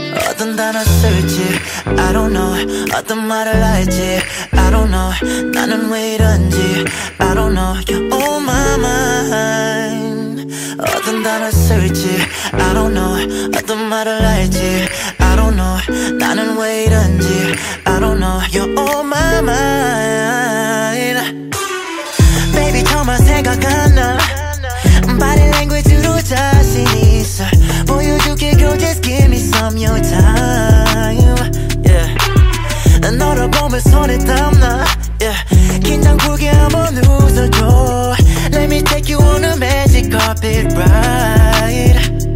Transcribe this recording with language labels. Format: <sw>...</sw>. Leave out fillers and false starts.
<ko>어떤 단어 쓸지</ko> <en>I don't know</en> <ko>어떤 말을 할지</ko> <en>I don't know</en> <ko>나는 왜 이런지</ko> <en>I don't know You're on my mind 어떤 단어 쓸지 I don't know 어떤 말을 할지 I don't know 나는 왜 이런지 I don't know You're on my mind Baby</en> <ko>정말 생각 안 나</ko> <en>Body language로</en> <ko>자신 있어 보여줄게</ko> <en>Girl just give me some your time yeah.</en> <ko>너를 보면 손에 땀나 yeah. 긴장 풀게 한번 웃어줘</ko> <en>Let me take you on a magic carpet ride</en>